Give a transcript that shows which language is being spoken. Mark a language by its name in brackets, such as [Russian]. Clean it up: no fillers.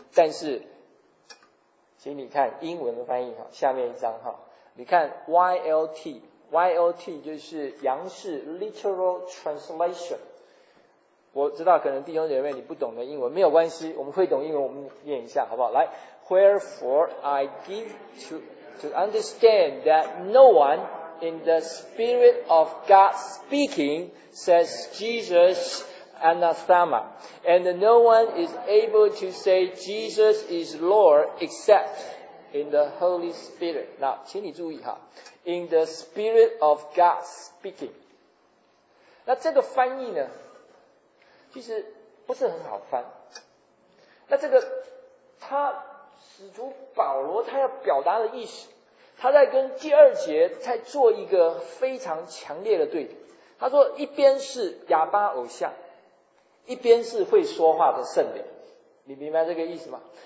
[Chinese] 但是请你看英文的翻译，下面一张，你看 YLT YLT 就是杨氏 Literal Translation。我知道可能弟兄姐妹你不懂的英文，没有关系，我们会懂英文，我们念一下好不好？ [English] 来， Wherefore I give to understand that no one in the spirit of God speaking says JesusAnathema, and no one is able to say Jesus is Lord except in the Holy Spirit. [Chinese] 那请你注意哈， [English] in the spirit of God speaking. [Chinese] 那这个翻译呢，其实不是很好翻。那这个他使徒保罗他要表达的意思，他在跟第二节在做一个非常强烈的对比。他说一边是亚巴偶像，一边是会说话的圣灵。你明白这个意思吗？